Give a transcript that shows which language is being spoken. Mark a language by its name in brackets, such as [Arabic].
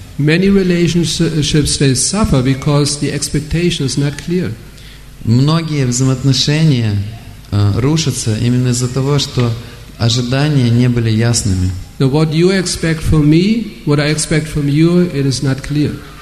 [English] Many relationships they suffer because the expectation is not clear. [Russian] Многие взаимоотношения рушатся именно из-за того, что ожидания не были ясными. [English] Now what you expect from me, what I expect from you, it is not clear.